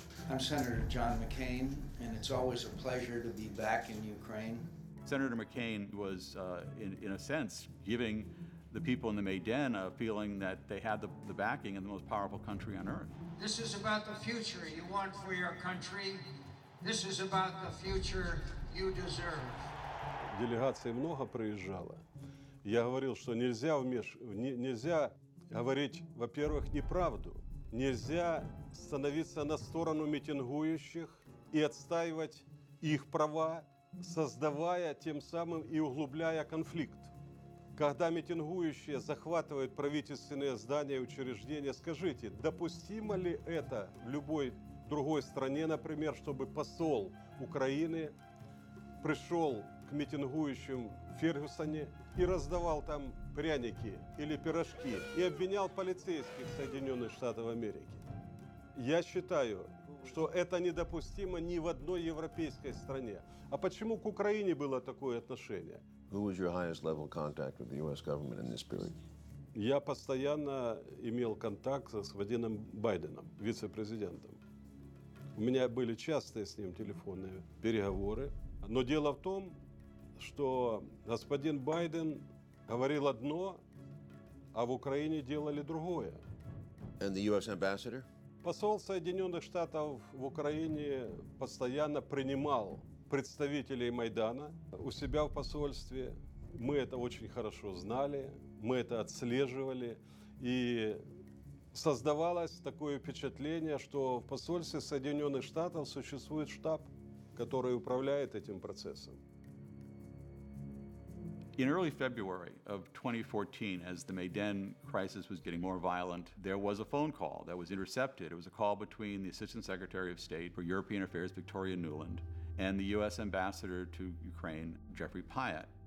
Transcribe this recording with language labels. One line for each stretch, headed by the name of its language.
English: I'm Senator John McCain, and it's always a pleasure to be back in Ukraine. Senator McCain was, in a sense, giving the people in the Maidan a feeling that they had the backing of the most powerful country on earth. This is about the future you want for your country. This is about the future you deserve.
Russian: Делегация много приезжала. Я говорил, что нельзя говорить, во-первых, неправду. Нельзя становиться на сторону митингующих и отстаивать их права, создавая тем самым и углубляя конфликт. Когда митингующие захватывают правительственные здания и учреждения, скажите, допустимо ли это в любой другой стране, например, чтобы посол Украины пришел к митингующим в Фергюсоне и раздавал там пряники или пирожки и обвинял полицейских Соединенных Штатов Америки. Я считаю, что это недопустимо ни в одной европейской стране. А почему к Украине было такое отношение?
English: Who was your highest level contact with the U.S. government in this period?
Russian: Я постоянно имел контакт с господином Байденом, вице-президентом. У меня были частые с ним телефонные переговоры. Но дело в том, что господин Байден говорил одно, а в Украине делали другое.
English: And the U.S. ambassador?
Russian: Посол Соединенных Штатов в Украине постоянно принимал представителей Майдана у себя в посольстве. Мы это очень хорошо знали, мы это отслеживали. И создавалось такое впечатление, что в посольстве Соединенных Штатов существует штаб, который управляет этим процессом.
English: In early February of 2014, as the Maidan crisis was getting more violent, there was a phone call that was intercepted. It was a call between the Assistant Secretary of State for European Affairs, Victoria Nuland, and the U.S. Ambassador to Ukraine, Jeffrey Pyatt.